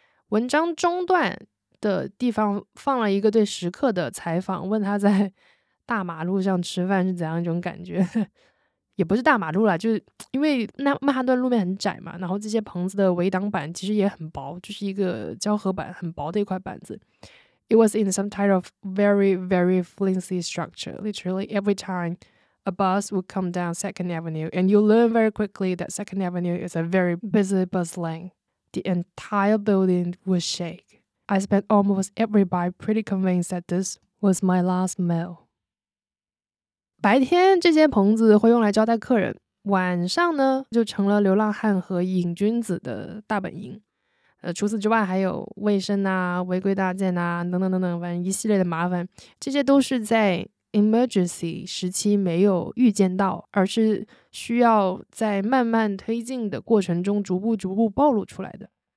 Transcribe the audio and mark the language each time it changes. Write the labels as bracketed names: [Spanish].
[Chinese] 文章中段的地方放了一个对食客的采访，问他在大马路上吃饭是怎样一种感觉。也不是大马路了，就是因为那曼哈顿路面很窄嘛，然后这些棚子的围挡板其实也很薄，就是一个胶合板，很薄的一块板子。 [English] It was in some type of very, very flimsy structure. Literally every time a bus would come down Second Avenue, and you learn very quickly that Second Avenue is a very busy bus lane. The entire building would shake. I spent almost every bite pretty convinced that this was my last meal. [Chinese] 白天这间棚子会用来招待客人，晚上呢就成了流浪汉和瘾君子的大本营。除此之外还有卫生啊、违规搭建啊等等等等，反正一系列的麻烦，这些都是在 emergency 时期没有预见到，而是需要在慢慢推进的过程中逐步逐步暴露出来的。